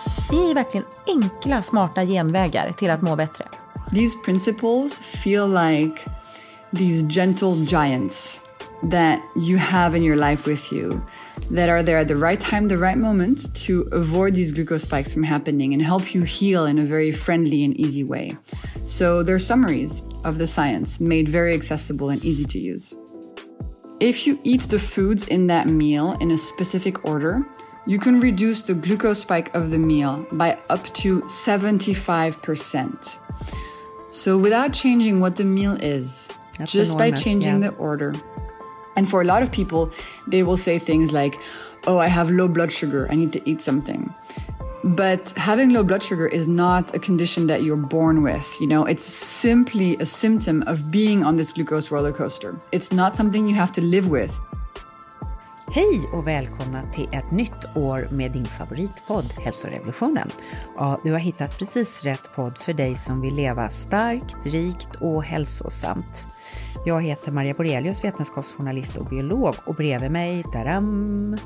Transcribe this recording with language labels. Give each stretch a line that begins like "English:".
Swedish: ser ju verkligen enkla, smarta genvägar till att må bättre.
English: These principles feel like these gentle giants that you have in your life with you that are there at the right time, the right moment to avoid these glucose spikes from happening and help you heal in a very friendly and easy way. So they're summaries of the science made very accessible and easy to use. If you eat the foods in that meal in a specific order, you can reduce the glucose spike of the meal by up to 75%. So without changing what the meal is, that's just enormous, by changing the order. And for a lot of people, they will say things like, oh, I have low blood sugar, I need to eat something. But having low blood sugar is not a condition that you're born with. You know, it's simply a symptom of being on this glucose roller coaster. It's not something you have to live with.
Swedish: Hej och välkomna till ett nytt år med din favoritpodd Hälsorevolutionen. Ja, du har hittat precis rätt podd för dig som vill leva starkt, rikt och hälsosamt. Jag heter Maria Borelius, vetenskapsjournalist och biolog, och bredvid mig, daram,